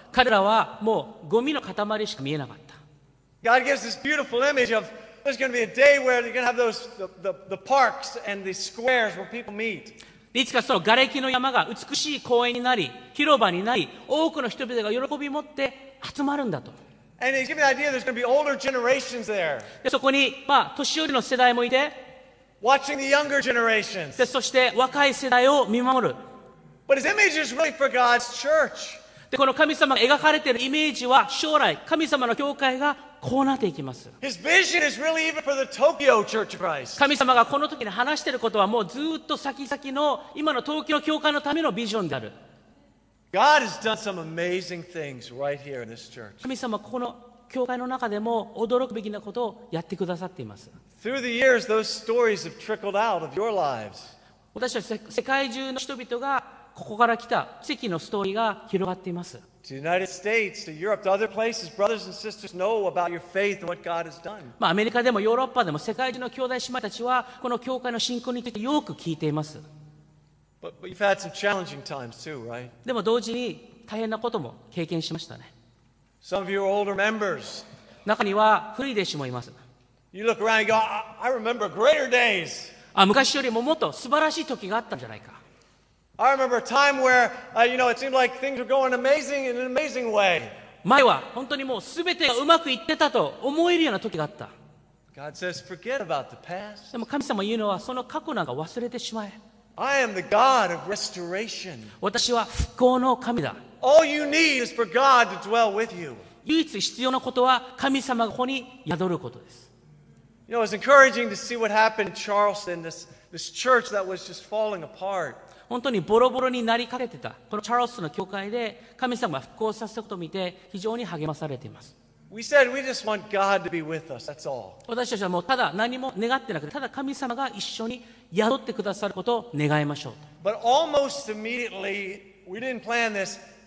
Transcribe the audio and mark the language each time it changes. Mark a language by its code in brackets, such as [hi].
[ja] 彼らはもうゴミの塊しか見えなかった。 [en] God gives this beautiful image of there's going to be a day where they're going to have those the parks and the squares where people meet. [ja] いつかその瓦礫の山が美しい公園になり広場になり多くの人々が喜び持って集まるんだと。 [en] And he's giving the idea there's going to be older generations there. [ja] で、そこに、まあ、年寄りの世代もいて、 [en] watching the younger generations. [ja] で、そして若い世代を見守る。 [en] But his image is really for God's church. [ja] で、この神様が描かれているイメージは将来、神様の教会がこうなっていきます。 [en] His vision is really even for the Tokyo Church of Christ. [ja] 神様がこの時に話していることはもうずっと先々の今の東京の教会のためのビジョンである。 [en] God has done some amazing things right here in this church. [ja] 神様はこの教会の中でも驚くべきなことをやってくださっています。 [en] Through the years, those stories have trickled out of your lives. [ja] 私たち世界中の人々がここから来た奇跡のストーリーが広がっています。 [en] To the United States, to Europe, to other places, brothers and sisters know about your faith and what God has done. [ja] まあ、アメリカでもヨーロッパでも世界中の兄弟姉妹たちはこの教会の信仰についてよく聞いています。 [en] But you've had some challenging times too, right? [ja] でも同時に大変なことも経験しましたね。 [en] Some of you are older members. [ja] 中には古い弟子もいます。 [en] You look around and go, I remember greater days. [ja] あ、昔よりももっと素晴らしい時があったんじゃないか。 [en] I remember a time where, you know, it seemed like things were going amazing in an amazing way. [ja] 前は本当にもうすべてがうまくいってたと思えるような時があった。 [en] God says, forget about the past. [ja] でも神様言うのはその過去なんか忘れてしまえ。 [en] I am the God of restoration. [ja] 私は復興の神だ。 [en] All you need is for God to dwell with you. [ja] 唯一必要なことは神様がここに宿ることです。 [en] You know, it's encouraging to see what happened in Charleston, this church that was just falling apart. [ja] 本当にボロボロになりかけてたこのチャールストンの教会で神様が復興させたことを見て非常に励まされています。私たちはもうただ何も願ってなくてただ神様が一緒に宿ってくださることを願いましょうと。 [en] But almost immediately, we didn't plan this.